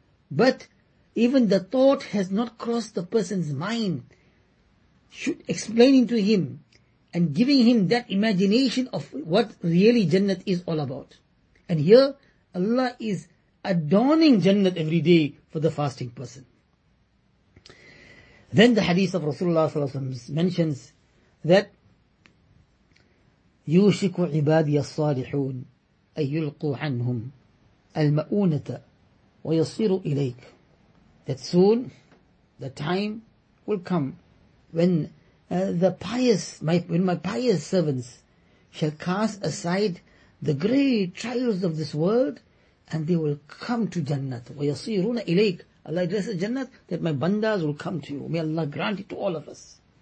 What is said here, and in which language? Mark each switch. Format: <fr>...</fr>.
<en>But even the thought has not crossed the person's mind, explaining to him and giving him that imagination of what really Jannat is all about. And here, Allah is adorning Jannat every day for the fasting person. Then the hadith of Rasulullah mentions that</en> <ar>يُوشِكُ عِبَادِيَ الصَّالِحُونَ أَن يُلْقُوا عَنْهُمْ الْمَؤُونَةَ وَيَصِيرُ إِلَيْكَ.</ar> <en>That soon the time will come when my pious servants shall cast aside the great trials of this world and they will come to Jannat.</en> <ar>وَيَصِيرُونَ إِلَيْكَ.</ar> <en>Allah addresses Jannat that my bandas will come to you. May Allah grant it to all of us.</en>